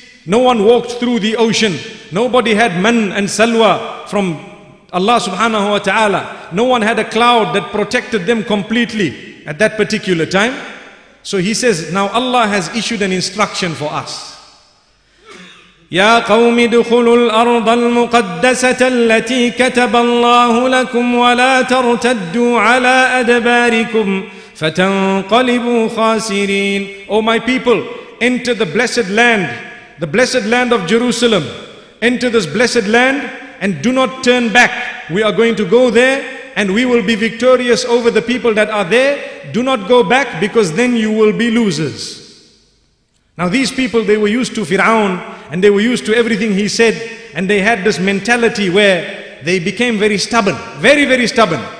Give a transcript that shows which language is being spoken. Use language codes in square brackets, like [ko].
[en] No one walked through the ocean. Nobody had man and salwa from Allah subhanahu wa ta'ala. No one had a cloud that protected them completely at that particular time. So he says, now Allah has issued an instruction for us. [ar] يا قوم ادخلوا الأرض المقدسة التي كتب الله لكم ولا ترتدوا على أدباركم فتنقلبوا خاسرين. [en] O my people, enter the blessed land, the blessed land of Jerusalem. Enter this blessed land and do not turn back. We are going to go there and we will be victorious over the people that are there. Do not go back because then you will be losers. Now these people, they were used to Fir'aun and they were used to everything he said, and they had this mentality where they became very stubborn, very, very stubborn.